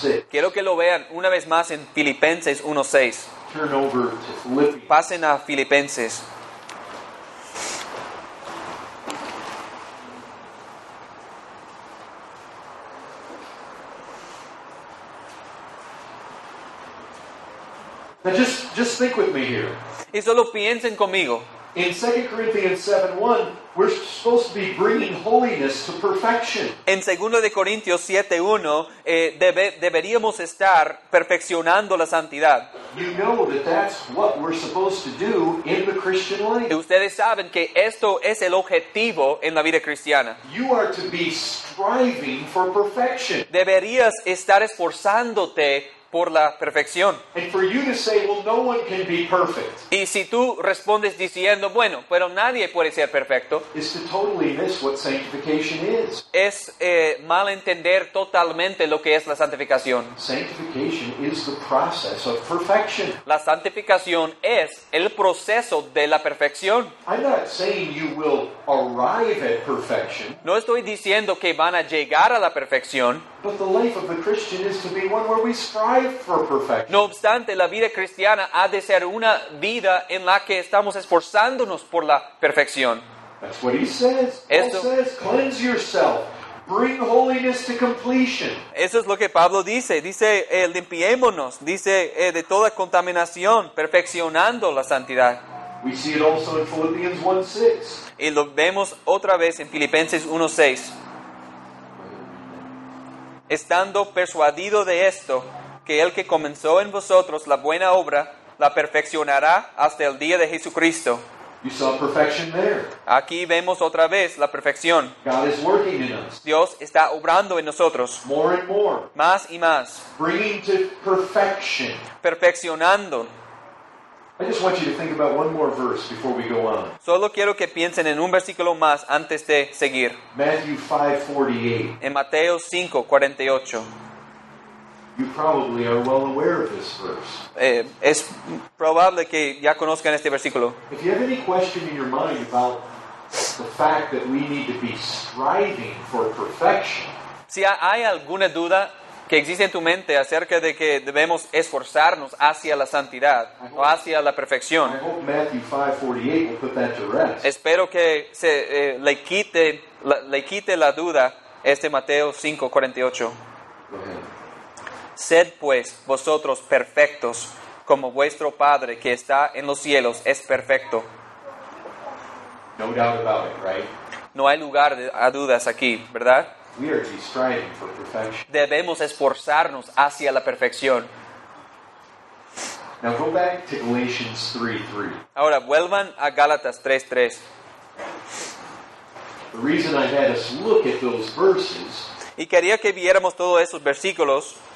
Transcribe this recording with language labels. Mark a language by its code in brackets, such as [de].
[es] Quiero que lo vean una vez más en Filipenses 1:6. [en] Turn over to Philippians. [es] Pasen a Filipenses. [en] Now just think with me here. [es] Y solo piensen conmigo. [en] In 2 Corinthians 7:1, we're supposed to be bringing holiness to perfection. [es] En 2 Corintios 7:1, deberíamos estar perfeccionando la santidad. [en] You know that that's what we're supposed to do in the Christian life. [es] Ustedes saben que esto es el objetivo en la vida cristiana. [en] You are to be striving for perfection. [es] Deberías estar esforzándote por la perfección. [en] And for you to say, well, no one can be perfect. [es] Y si tú respondes diciendo, bueno, pero nadie puede ser perfecto. [en] Is to totally miss what sanctification is. [es] Es malentender totalmente lo que es la santificación. [en] Sanctification is the process of perfection. [es] La santificación es el proceso de la perfección. [en] I'm not saying you will arrive at perfection. [es] No estoy diciendo que van a llegar a la perfección. [en] But the life of the Christian is to be one where we strive for perfection. [es] No obstante, la vida cristiana ha de ser una vida en la que estamos esforzándonos por la perfección. [en] That's what he says. [es] Esto, [en] Paul says, cleanse yourself. Bring holiness to completion. [es] Eso es lo que Pablo dice. Dice, limpiémonos. Dice, de toda contaminación, perfeccionando la santidad. [en] We see it also in Philippians 1:6. [es] Y lo vemos otra vez en Filipenses 1:6. Estando persuadido de esto, que el que comenzó en vosotros la buena obra, la perfeccionará hasta el día de Jesucristo. [en] You saw perfection there. [es] Aquí vemos otra vez la perfección. [en] God is working in us. [es] Dios está obrando en nosotros. [en] More and more. [es] Más y más. [en] Bringing to perfection. [es] Perfeccionando. [en] I just want you to think about one more verse before we go on. [es] Solo quiero que piensen en un versículo más antes de seguir. [en] Matthew 5:48. [es] En Mateo 5:48. [en] You probably are well aware of this verse. [es] Es probable que ya conozcan este versículo. [en] If you have any question in your mind about the fact that we need to be striving for perfection. [es] Si hay alguna duda que existe en tu mente acerca de que debemos esforzarnos hacia la santidad o hacia la perfección. [en] I hope Matthew 5:48 will put that to rest. [es] Espero que se le quite la duda este Mateo 5:48. Sed pues vosotros perfectos como vuestro Padre que está en los cielos es perfecto. [en] No doubt about it, right? [es] No hay lugar a dudas aquí, ¿verdad? [en] We are to be striving for perfection. [es] Debemos esforzarnos hacia la perfección. [en] Now go back to Galatians 3:3. [es] Ahora vuelvan a Gálatas 3:3. [en] The reason I had us look at those verses. [es] Y quería que viéramos todos esos versículos.